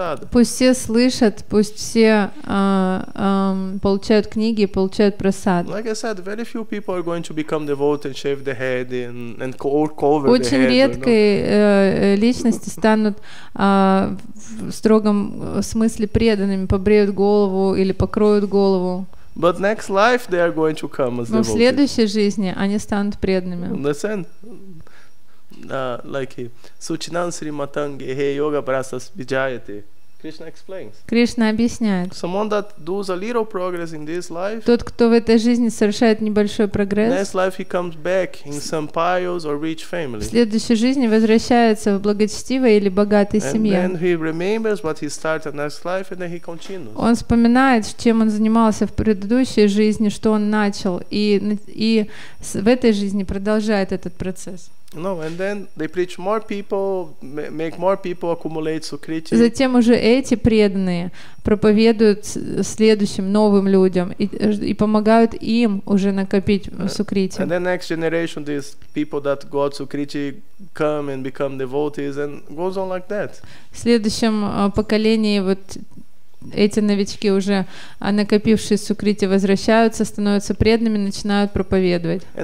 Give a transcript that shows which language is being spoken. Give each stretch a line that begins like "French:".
Russian: Пусть все слышат, пусть все получают книги и получают прасад. Очень редкие личности станут в строгом смысле преданными, побреют голову или покроют голову.
English: But next life they are going to come as devotees.
Russian: Но в следующей жизни они станут преданными.
English: Understand? Like
Sanskrit: Suchinan Sri Matange He Yoga Prasas Vijayate.
English: Krishna explains.
Russian: Кришна объясняет.
English: Someone that does a little progress in this life.
Russian: Тот, кто в этой жизни совершает небольшой прогресс.
English: Next life he comes back in some pious or rich family.
Russian: В следующей жизни возвращается в благочестивой или богатой семье.
English: And then he remembers what he started next life, and then he continues.
Russian: Он вспоминает, чем он занимался в предыдущей жизни, что он начал, и в этой жизни продолжает этот процесс.
English: No, and then they preach more people, make more people accumulate sukriti.
Russian: Затем уже эти преданные проповедуют следующим новым людям и помогают им уже накопить сукрити.
English: And then next generation, these people that got sukriti come and become devotees and goes on like that.
Russian: В следующем поколении вот эти новички уже, накопившие сукрити, возвращаются, становятся преданными, начинают проповедовать.